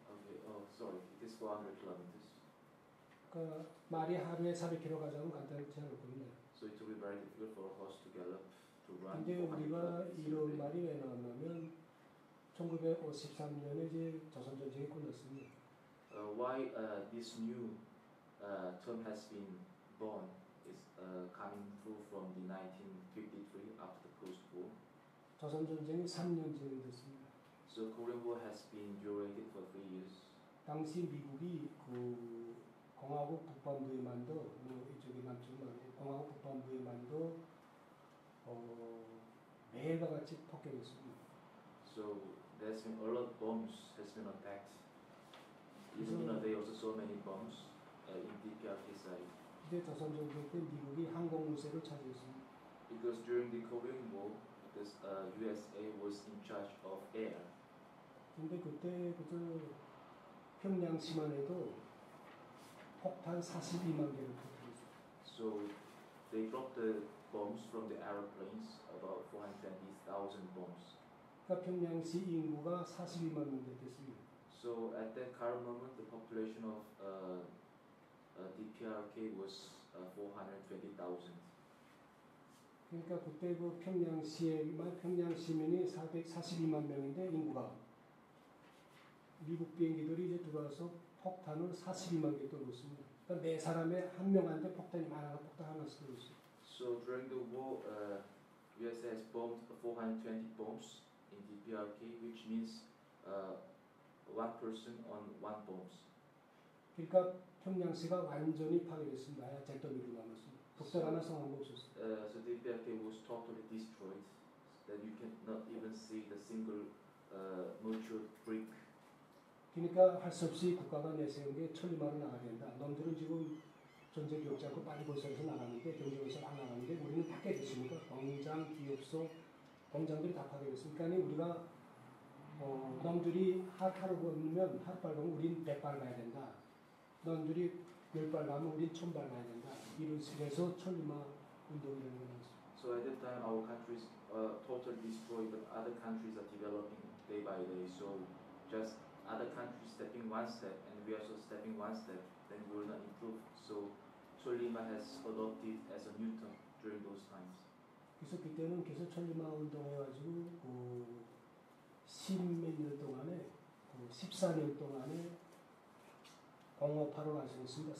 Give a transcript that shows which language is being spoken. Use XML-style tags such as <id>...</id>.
<en>Okay. Oh, sorry. It is 400 km.</en> <ko>그러니까 말이 하루에 400km 가자면 간단하지 않을 겁니다.</ko> <en>So it will be very difficult for a horse to gallop, to run.</en> <ko>근데 우리가 이런 말이 왜 나왔냐면 1953년에 이제 조선전쟁이 끝났습니다.</ko> <en>Why this new term has been born, is coming through from the 1953 after the post-war.</en> <ko>조선 전쟁이 3년 진행됐습니다.</ko> <en>So Korean War has been durated for 3 years.</en> <ko>당시 미국이 그 공화국 북반도에만도 뭐 이쪽에 맞춘 공화국 북반도에만도 매일과 같이 폭격했습니다.</ko> <en>So there's been a lot of bombs has been attacked. Even though they also saw many bombs in DPRK side.</en> <ko>이제 조선 전쟁 때 미국이 항공 무쇠를 차지했습니다.</ko> <en>Because during the Korean War, this USA was in charge of air.</en> <ko>근데 그때 그저 평양 시만에도 폭탄 42만 개를 폭탄했어요.</ko> <en>So they dropped the bombs from the airplanes, about 420,000 bombs.</en> <ko>그러니까 평양시 인구가 42만 명 됐습니다.</ko> <en>So at that current moment, the population of DPRK was 420,000.</en> <ko>그러니까 그때 그 평양시에만 평양 시민이 442만 명인데 인구가 미국 비행기들이 이제 들어와서 폭탄을 42만 개 떨었습니다. 그러니까 매 사람에 한 명한테 폭탄이 많아서 폭탄 하나 쏟았어요.</ko> <en>So during the war, USA has bombed 420 bombs in DPRK, which means one person on one bombs.</en> <ko>그러니까 평양시가 완전히 파괴됐습니다. 아예 잿더미도 남았습니다. 독살 하나 성한 거 없었어요.</ko> <en>So DPRK was totally destroyed. That you cannot even see the single mortar brick.</en> <ko>그러니까 할 수 없이 국가가 내세운 게 천리마을 나가야 된다. 놈들은 지금 전쟁 겪지 않고 빨리 벌써 나갔는데 경제에서 안 나갔는데 우리는 다 깨졌으니까 공장, 기업소, 공장들이 다 파괴됐으니까 우리가 놈들이 하루 걸으면 하루 빨면 우린 100발 가야 된다. 놈들이 10발 가면 우린 1000발 가야 된다. 이런 식에서 천리마 운동이 일어났어요.</ko> <en>So at that time our countries totally destroyed, but other countries are developing day by day. So just other countries stepping one step and we are also stepping one step, then we will not improve. So Choe Lima has adopted as a new term during those times.</en> <ko>그래서 그때는 계속 Choe Lima 운동해가지고 그 10몇 년 동안에 그 14년 동안에 공업화를 완성했습니다.</ko>